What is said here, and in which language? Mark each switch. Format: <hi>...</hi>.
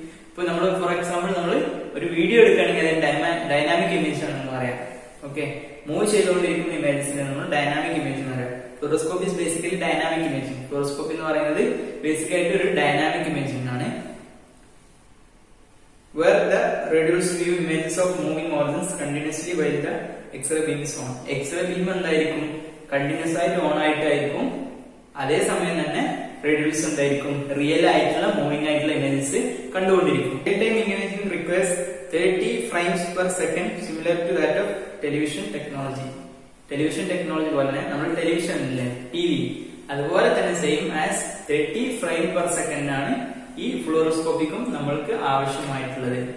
<ml>ഇപ്പൊ നമ്മൾ for example നമ്മൾ ഒരു വീഡിയോ എടുക്കുകയാണെങ്കിൽ അതിന് ഡൈനാമിക് ഇമേജ് ആണെന്ന് പറയാം. ഓക്കെ, മൂവ് ചെയ്തുകൊണ്ടിരിക്കുന്ന ഇമേജസിനെ നമ്മൾ ഡൈനാമിക് ഇമേജ് എന്ന് പറയാം.</ml> <en>Fluoroscope is basically dynamic imaging.</en> <ml>ഫ്ലൂറോസ്കോപ്പ് എന്ന് പറയുന്നത് ബേസിക് ആയിട്ട് ഒരു ഡൈനാമിക് ഇമേജിംഗ് ആണ്.</ml> <en>Where the reduced view images of moving organs continuously by the X-ray beam is on.</en> <ml>X-ray beam എന്തായിരിക്കും? കണ്ടിന്യൂസ് ആയിട്ട് ഓൺ ആയിട്ടായിരിക്കും. അതേസമയം തന്നെ റെഡ്യൂസ് എന്തായിരിക്കും? റിയൽ ആയിട്ടുള്ള മൂവിംഗ് ആയിട്ടുള്ള images കണ്ടുകൊണ്ടിരിക്കും.</ml> <en>Real time imaging requires 30 frames per second similar to that of television technology.</en> <ml>Television technology പോലെ തന്നെ നമ്മൾ ടെലിവിഷൻ അല്ലേ, ടി വി, അതുപോലെ തന്നെ</ml> <en>same as 30 frame per second</en> <ml>ആണ് ഈ ഫ്ലൂറോസ്കോപ്പിക്കും നമ്മൾക്ക് ആവശ്യമായിട്ടുള്ളത്.</ml>